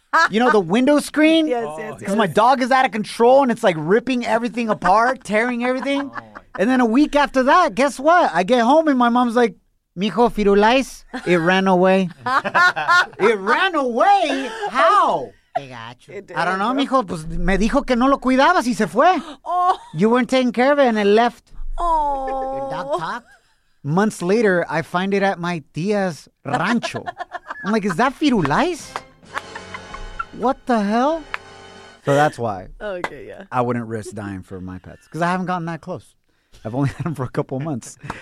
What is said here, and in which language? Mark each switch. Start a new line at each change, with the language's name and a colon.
English: You know the window screen? Yes, yes, yes. Because my dog is out of control and it's like ripping everything apart, tearing everything. And then a week after that, guess what? I get home and my mom's like, mijo, firulais, it ran away. It ran away? How?
Spanish: Qué gacho.
English: Did, I don't know, bro.
Spanish: Mijo, pues me dijo que no lo cuidabas y se fue.
English: Oh. You weren't taking care of it and it left. Oh. Your dog talked. Months later, I find it at my tia's rancho. I'm like, is that Firulais? What the hell? So that's why. Okay, yeah. I wouldn't risk dying for my pets because I haven't gotten that close. I've only had them for a couple months.